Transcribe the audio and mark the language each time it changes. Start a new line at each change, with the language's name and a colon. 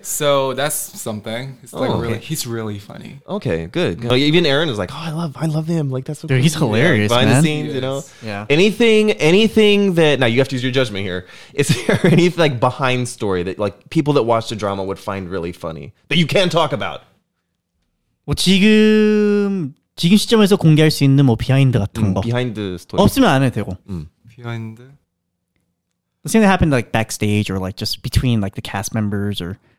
English: So that's something. It's like he's really funny. Okay, good. Oh, even Aaron is like, oh, I love him. Like, that's so cool. Dude, he's hilarious, man. Behind the scenes, you know? Yeah. Anything that, now you have to use your judgment here. Is there any like behind story that like people that watch the drama would find really funny that you can't talk about?
Korean: 뭐 지금 시점에서 공개할 수 있는 뭐 비하인드 같은 거. 비하인드 스토리. 없으면 안 해도 되고. 비하인드.
English: Something that happened like backstage or like just between like the cast members or.